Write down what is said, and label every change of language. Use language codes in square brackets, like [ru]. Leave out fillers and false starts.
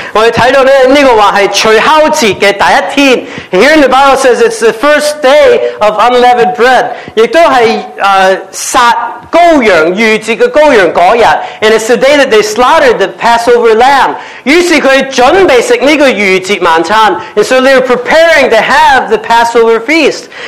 [yue] 我哋睇到咧，呢个话系除酵节嘅第一天。 [en] Here in the Bible says it's the first day of unleavened bread. [yue] 亦都系杀羔羊逾节嘅羔羊嗰日。 [en] And it's the day that they slaughtered the Passover lamb. [yue] 于是佢准备食呢个逾节晚餐。 [en] And so they were preparing to have the Passover feast.